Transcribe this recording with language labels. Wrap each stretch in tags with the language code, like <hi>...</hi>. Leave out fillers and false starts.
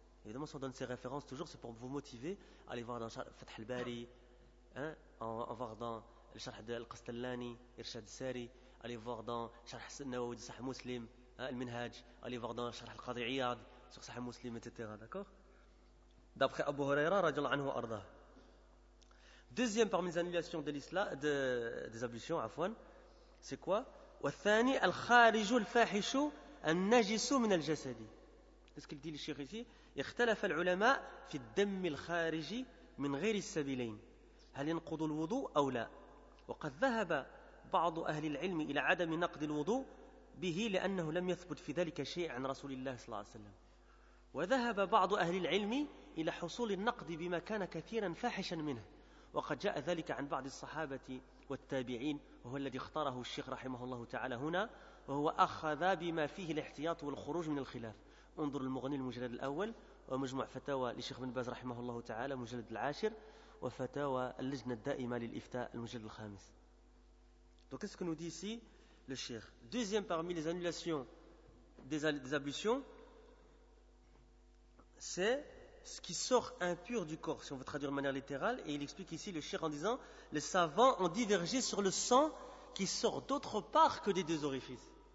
<fr>Évidemment, si on donne ces références toujours, c'est pour vous motiver à aller voir dans Fath al-Bari, en voir dans le Sharh al-Qastallani, Irshad Sari, aller voir dans Sharh al-Nawawi, Sahih Muslim, al-Minhaj, aller voir dans Sharh al-Qadi Iyad, sur Sahih Muslim, etc. D'accord? D'après Abu Huraira, radiallahu anhu arda. Deuxième parmi les annulations de l'islam, des ablutions, Afwan. C'est quoi?</fr> <ar>والثاني الخارج الفاحش النجس من الجسد.</ar> <fr>Qu'est-ce qu'il dit le cheikh ici?</fr> <ar>اختلف العلماء في الدم الخارج من غير السبيلين. هل ينقض الوضوء أو لا؟ وقد ذهب بعض أهل العلم إلى عدم نقض الوضوء به لأنه لم يثبت في ذلك شيء عن رسول الله صلى الله عليه وسلم. وذهب بعض أهل العلم إلى حصول النقض بما كان كثيرا فاحشا منه. وقد جاء ذلك عن بعض الصحابة والتابعين وهو الذي اختاره الشيخ رحمه الله تعالى هنا وهو أخذ بما فيه الاحتياط والخروج من الخلاف انظر المغني المجلد الأول ومجموع فتاوى لشيخ بن باز رحمه الله تعالى مجلد العاشر وفتاوى اللجنة الدائمة للإفتاء المجلد الخامس.</ar> <fr>Donc qu'est-ce que nous dit ici le Cheikh? Deuxième parmi les annulations des ablutions, c'est ce qui sort impur du corps, si on veut traduire de manière littérale, et il explique ici le shir en disant, les savants ont divergé sur le sang qui sort d'autre part que des deux orifices.</fr>